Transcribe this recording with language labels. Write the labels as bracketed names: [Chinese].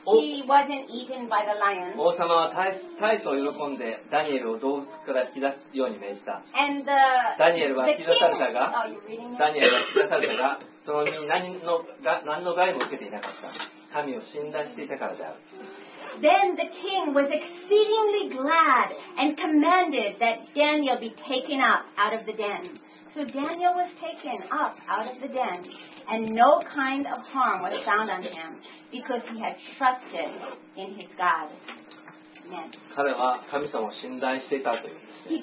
[English] He wasn't eaten by the lions. [Japanese] 王様は大層喜んでダニエルを洞窟から引き出すように命じた。 [English] And the [Japanese] ダニエルは引き出されたが、ダニエルは引き出されたが、その身に何の害も受けていなかった。民を信頼していたからである。 [English] Then the king was exceedingly glad and commanded that Daniel be taken up out of the den. So Daniel was taken up out of the den, and no kind of harm was found on him because he had trusted in his God. Amen. [Japanese] 彼は神様を信頼していたというんですね。